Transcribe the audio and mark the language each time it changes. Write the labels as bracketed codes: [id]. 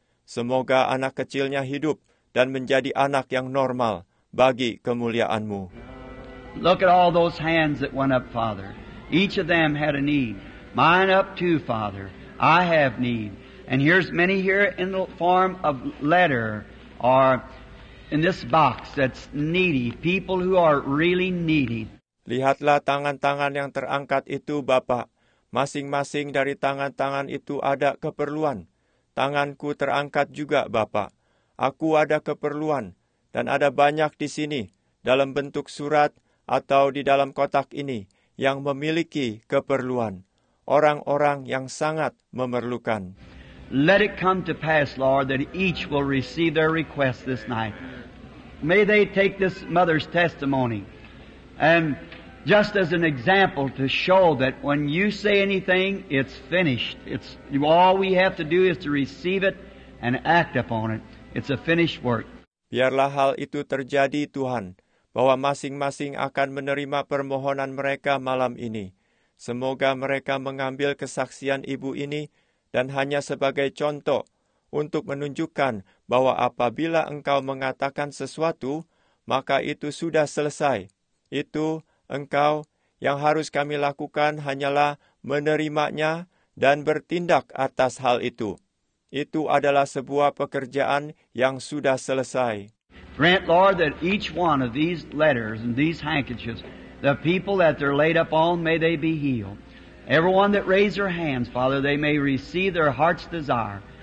[id] Semoga anak kecilnya hidup dan menjadi anak yang normal bagi kemuliaan-Mu. [en] Look at all those hands that went up, Father. Each of them had a need. Mine up too, Father. I have need. And here's many here in the form of letter or in this box that's needy, people who are really needy. [id] Lihatlah tangan-tangan yang terangkat itu, Bapa. Masing-masing dari tangan-tangan itu ada keperluan. Tanganku terangkat juga, Bapa. Aku ada keperluan. Dan ada banyak di sini, dalam bentuk surat atau di dalam kotak ini, yang memiliki keperluan. Orang-orang yang sangat memerlukan. [en] Let it come to pass, Lord, that each will receive their request this night. May they take this mother's testimony. And just as an example to show that when you say anything, it's finished. It's all we have to do is to receive it and act upon it. It's a finished work. [id] Biarlah hal itu terjadi, Tuhan, bahwa masing-masing akan menerima permohonan mereka malam ini. Semoga mereka mengambil kesaksian ibu ini dan hanya sebagai contoh untuk menunjukkan bahwa apabila engkau mengatakan sesuatu, maka itu sudah selesai. Itu, engkau, yang harus kami lakukan hanyalah menerimanya dan bertindak atas hal itu. Itu adalah sebuah pekerjaan yang sudah selesai. [en] Grant, Lord, that each one of these letters and these handkerchiefs, the people that they're laid up on, may they be healed. Everyone that raised their hands, Father, they may receive their heart's desire.